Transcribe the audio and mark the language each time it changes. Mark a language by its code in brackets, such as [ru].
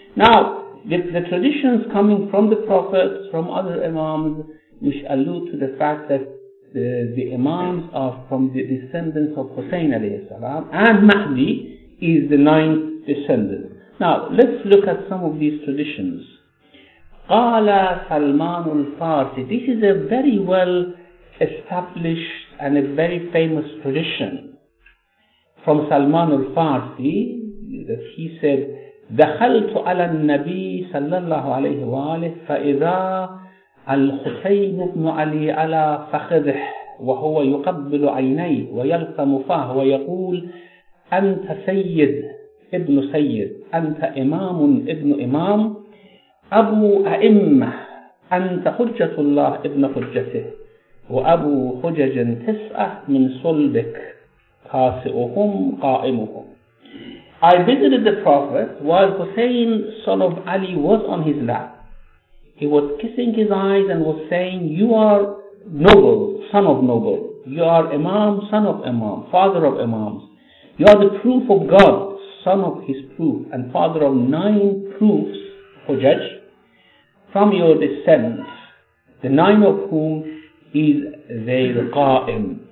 [en] Now, the traditions coming from the prophets, from other Imams, which allude to the fact that the Imams are from the descendants of Hussein alayhi salam, and Mahdi is the ninth descendant. Now, let's look at some of these traditions. Qala Salman al-Farsi. This is a very well established and a very famous tradition from Salman al-Farsi, that he said, [ar] دَخَلْتُ عَلَى النَّبِيِّ صَلَّى اللَّهُ عَلَيْهِ وَآلِهِ فَإِذَا الْحُسَيْنُ بْنُ عَلِي عَلَى فَخِذِهِ وَهُوَ يُقَبِّلُ عَيْنَيْهِ وَيَلْقَمُ فَاهُ وَيَقُولُ أَنْتَ سَيِّدٌ ابْنُ سَيِّدٍ أَنْتَ إِمَامٌ ابْنُ إِمَامٍ أَبُو أَئِمَّةٍ أَنْتَ حُجَّةُ اللَّهِ ابْنُ حُجَّتِهِ وَأَبُو حُجَجٍ تِسْعَةٌ مِنْ صُلْبِكَ قَاسِئُهُمْ قَائِمُهُمْ. [en] I visited the Prophet while Hussein, son of Ali, was on his lap. He was kissing his eyes and was saying, "You are noble, son of noble. You are Imam, son of Imam, father of Imams. You are the proof of God, son of his proof, and father of nine proofs, Hujjaj, from your descent, the nine of whom is Zayl Qa'im."